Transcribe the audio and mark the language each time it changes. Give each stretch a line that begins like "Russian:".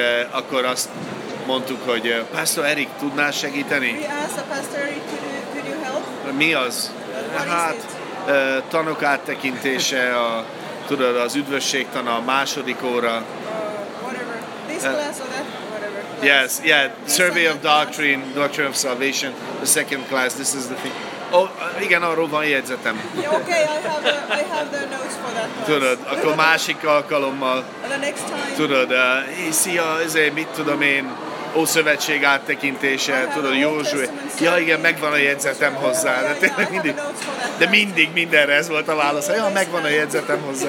Hungarian: Akkor azt mondtuk, hogy Pastor Eric, tudnál segíteni?
English: We asked Pastor Eric, could you help?
Hungarian: Mi az? Hát, tanok áttekintése, tudod, az üdvösségtana, a második óra.
English: Whatever. This class or that, whatever. Class. Yes, yeah, this survey of doctrine, class. Doctrine of salvation, the second class, this is the thing.
Hungarian: Oh, igen, arról van jegyzetem.
English: Yeah, okay, I have the notes for that class.
Hungarian: Tudod, akkor másik alkalommal.
English: And the next time.
Hungarian: Tudod, szia, ezért mit tudom én, Ószövetség áttekintése, tudod, Józsué. Ja, igen, megvan a jegyzetem hozzá. Yeah, yeah, yeah, mindig, de mindig mindenre ez volt a válasz. Ja, megvan a jegyzetem hozzá.